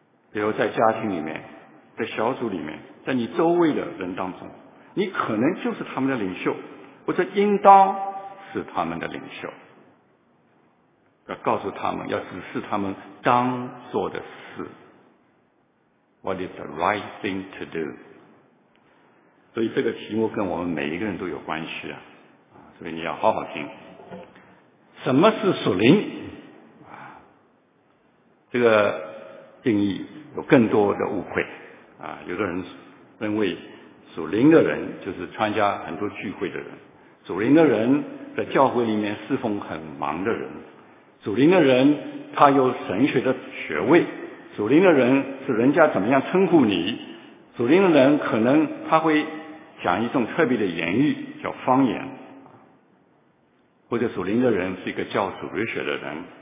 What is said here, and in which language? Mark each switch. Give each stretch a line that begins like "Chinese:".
Chinese: 比如在家庭里面，在小组里面，在你周围的人当中，你可能就是他们的领袖，或者应当是他们的领袖，要告诉他们，要指示他们当做的事。
English: What is the right thing to do？
Chinese: 所以这个题目跟我们每一个人都有关系啊，所以你要好好听。什么是属灵？这个定义有更多的误会啊。有的人认为属灵的人就是参加很多聚会的人，属灵的人在教会里面侍奉很忙的人，属灵的人他有神学的学位，属灵的人是人家怎么样称呼你，属灵的人可能他会讲一种特别的言语叫方言，或者属灵的人是一个教主日学的人。